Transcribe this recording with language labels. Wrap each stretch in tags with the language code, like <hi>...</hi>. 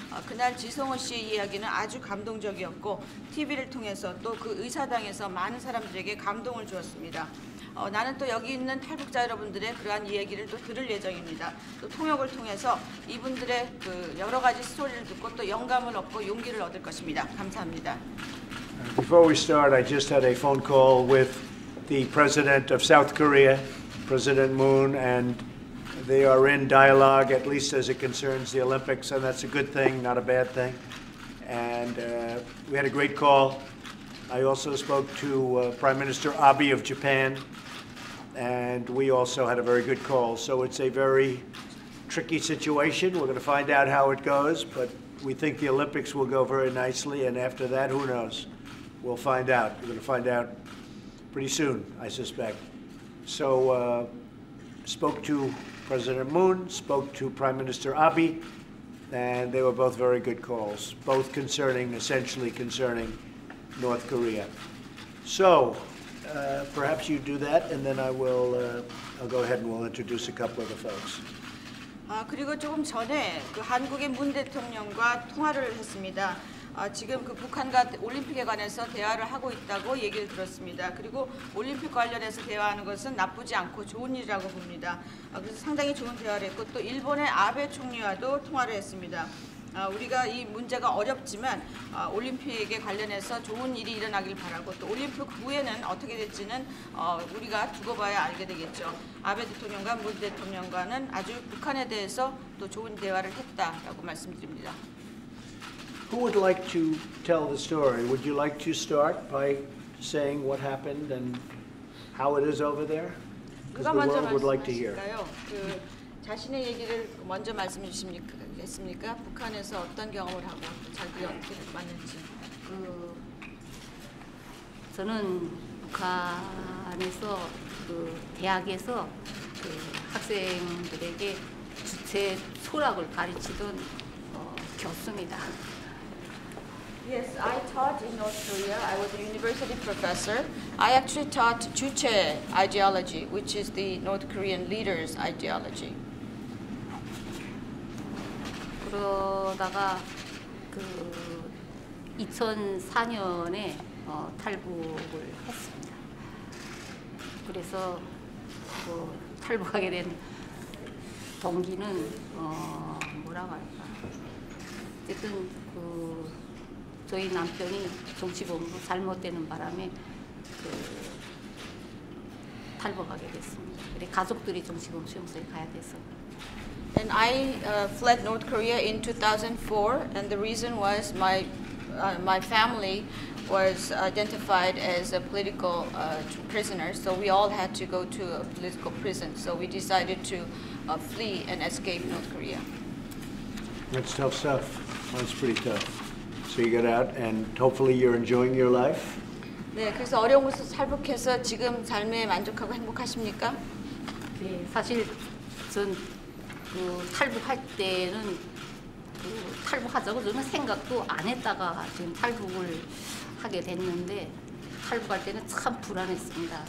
<ko>그날 지성호 씨의 이야기는 아주 감동적이었고 TV를 통해서 또 그 의사당에서 많은 사람들에게 감동을 주었습니다. 나는 또 여기 있는 탈북자 여러분들의 그러한 이야기를 또 들을 예정입니다. 또 통역을 통해서 이분들의 그 여러 가지 스토리를 듣고 또 영감을 얻고 용기를 얻을 것입니다. 감사합니다.</ko> <en>Before we start, I just had a phone call with the President of South Korea, President Moon, and they are in dialogue, at least as it concerns the Olympics, and that's a good thing, not a bad thing. And we had a great call. I also spoke to Prime Minister Abe of Japan, and we also had a very good call. So it's a very tricky situation. We're going to find out how it goes, but we think the Olympics will go very nicely, and after that, who knows? We'll find out. We're going to find out pretty soon, I suspect. So spoke to President Moon, spoke to Prime Minister Abe, and they were both very good calls, both concerning, essentially concerning North Korea. So, perhaps you do that, and then I will. I'll go ahead and we'll introduce a couple of the folks.</en> <ko>그리고 조금 전에 그 한국의 문 대통령과 통화를 했습니다. 지금 그 북한과 올림픽에 관해서 대화를 하고 있다고 얘기를 들었습니다. 그리고 올림픽 관련해서 대화하는 것은 나쁘지 않고 좋은 일이라고 봅니다. 그래서 상당히 좋은 대화를 했고 또 일본의 아베 총리와도 통화를 했습니다. 우리가 이 문제가 어렵지만 올림픽에 관련해서 좋은 일이 일어나길 바라고 또 올림픽 후에는 어떻게 될지는 우리가 두고 봐야 알게 되겠죠. 아베 대통령과 문 대통령과는 아주 북한에 대해서 또 좋은 대화를 했다라고 말씀드립니다.</ko> <en>Who would like to tell the story? Would you like to start by saying what happened and how it is over there? Because the world would like to hear.</en> <ko>그 자신의 얘기를 먼저 말씀해 주십니까? 했습니까? 북한에서 어떤 경험을 하고 자기 어떻게 맞는지 저는 북한에서 그 대학에서 그 학생들에게 주체 소락을 가르치던 교수입니다.</ko> <en>Yes, I taught in North Korea. I was a university professor. I actually taught 주체 ideology, which is the North Korean leader's ideology.</en> <ko>그러다가 그 2004년에 탈북을 했습니다. 그래서 그 탈북하게 된 동기는 뭐라고 할까? 어쨌든 그 저희 남편이 정치범으로 잘못되는 바람에 그 탈북하게 됐습니다. 우리 가족들이 정치범 수용소에 가야 돼서.</ko> <en>And I fled North Korea in 2004, and the reason was my my family was identified as a political prisoner, so we all had to go to a political prison. So we decided to flee and escape North Korea. That's tough stuff. That's pretty tough. So you got out, and hopefully you're enjoying your life?</en> <ko>네, 그래서 어려운 곳에서 탈북해서 지금 삶에 만족하고 행복하십니까? 네, 사실 전 그 탈북할 때는 그 탈북하자고 저는 생각도 안 했다가 지금 탈북을 하게 됐는데 탈북할 때는 참 불안했습니다.</ko>